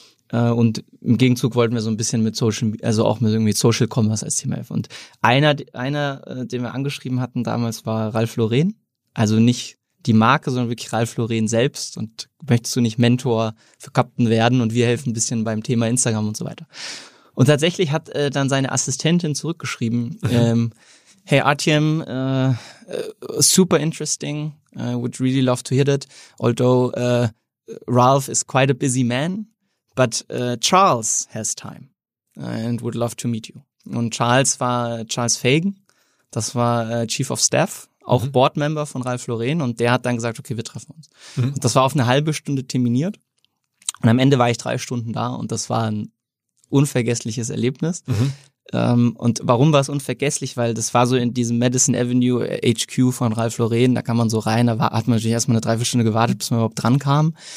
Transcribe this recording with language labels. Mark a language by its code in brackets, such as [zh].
[de] Und im Gegenzug wollten wir so ein bisschen mit Social, also auch mit irgendwie Social Commerce als Thema helfen. Und einer, den wir angeschrieben hatten damals, war Ralf Loren. Also nicht, die Marke, sondern wirklich Ralph Lauren selbst. Und möchtest du nicht Mentor für Captain werden und wir helfen ein bisschen beim Thema Instagram und so weiter. Und tatsächlich hat dann seine Assistentin zurückgeschrieben, hey Artyom, [en] super interesting, I would really love to hear that, although Ralph is quite a busy man, but Charles has time and would love to meet you. [de] Und Charles war Charles Fagan, das war Chief of Staff, auch Boardmember von Ralph Lauren, und der hat dann gesagt, okay, wir treffen uns. Mhm. Und das war auf eine halbe Stunde terminiert und am Ende war ich 3 Stunden da und das war ein unvergessliches Erlebnis. Mhm. Und warum war es unvergesslich? Weil das war so in diesem Madison Avenue HQ von Ralph Lauren, da kann man so rein, da hat man natürlich erstmal 3-4 Stunden gewartet, bis man überhaupt dran kam.